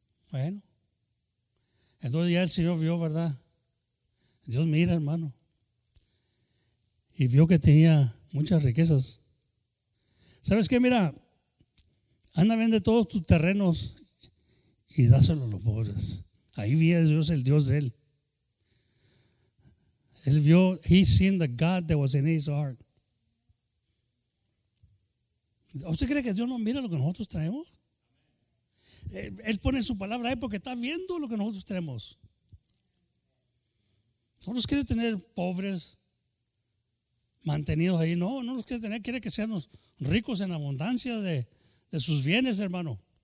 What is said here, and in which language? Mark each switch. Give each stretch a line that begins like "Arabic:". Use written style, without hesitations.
Spanish: Bueno. Entonces ya el Señor vio, ¿verdad? Dios mira, hermano. Y vio que tenía muchas riquezas. ¿Sabes qué? Mira, anda, vende todos tus terrenos y dáselo a los pobres. Ahí vio Dios, el Dios de él. Él vio,
English: he seen the God that was in his heart.
Spanish: ¿Usted cree que Dios no mira lo que nosotros traemos? Él pone su palabra ahí porque está viendo lo que nosotros tenemos. ¿No los quiere tener pobres, mantenidos ahí? No, no los quiere tener. Quiere que seamos ricos en abundancia de sus bienes, hermano.